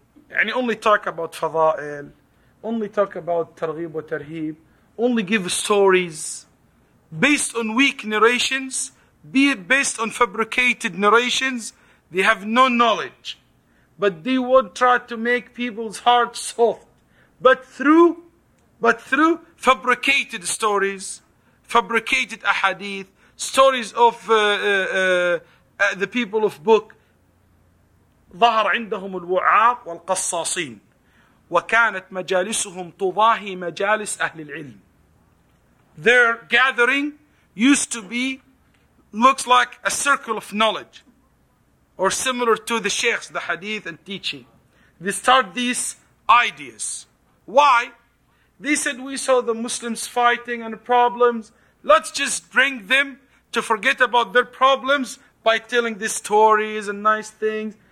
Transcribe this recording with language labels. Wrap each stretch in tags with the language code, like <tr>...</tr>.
<en>يعني only talk about fada'il, only talk about targhib wa tarhib, only give stories based on weak narrations, be it based on fabricated narrations, they have no knowledge. But they would try to make people's hearts soft. But through fabricated stories, fabricated ahadith, stories of the people of book.</en> <ar>ظهر عندهم الوعاق والقصاصين وكانت مجالسهم تضاهي مجالس أهل العلم.</ar> <en>Their gathering used to be, looks like a circle of knowledge. Or similar to the sheikhs, the hadith and teaching. They start these ideas. Why? They said, we saw the Muslims fighting and problems. Let's just bring them to forget about their problems by telling these stories and nice things.</en>